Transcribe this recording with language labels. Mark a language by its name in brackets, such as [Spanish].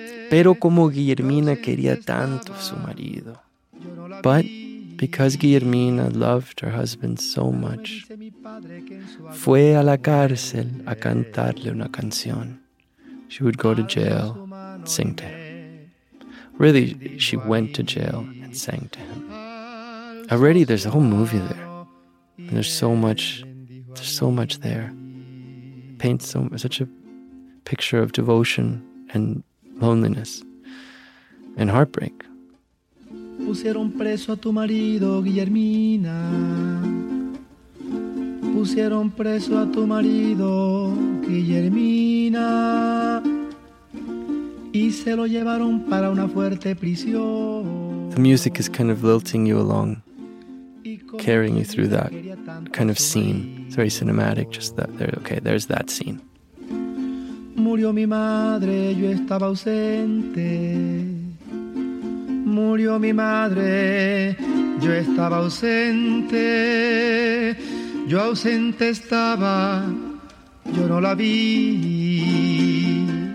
[Spanish] Pero como Guillermina quería tanto su marido. [English] But because Guillermina loved her husband so much, [Spanish] fue a la cárcel a cantarle una canción. [English] She would go to jail and sing to him. Really, she went to jail and sang to him. Already there's a whole movie there. And there's so much there. Paints so, such a picture of devotion and loneliness and heartbreak. [Spanish] Pusieron preso a tu marido, Guillermina. Pusieron preso a tu marido, Guillermina. Y se lo llevaron para una fuerte prisión. [English] The music is kind of lilting you along, carrying you through that kind of scene. It's very cinematic, just that there, okay, there's that scene. [Spanish] Murió mi madre, yo estaba ausente. Murió mi madre, yo estaba ausente. Yo ausente estaba, yo no la vi.